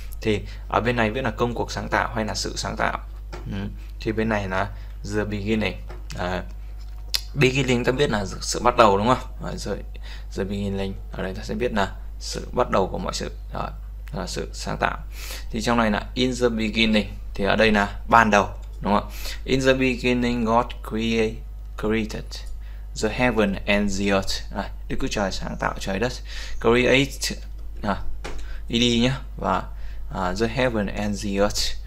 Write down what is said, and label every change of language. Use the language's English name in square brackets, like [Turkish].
[Vietnamese] Thì ở bên này viết là công cuộc sáng tạo hay là sự sáng tạo, thì bên này là the beginning. Beginning ta biết là sự bắt đầu đúng không? Rồi, the beginning ở đây ta sẽ biết là sự bắt đầu của mọi sự, là sự sáng tạo. Thì trong này là [English] in the beginning [Vietnamese] thì ở đây là ban đầu đúng không? [English] In the beginning God created the heaven and the earth. [Vietnamese] À, Đức Chúa Trời sáng tạo trời đất. Create đi đi nhá, và [English] the heaven and the earth.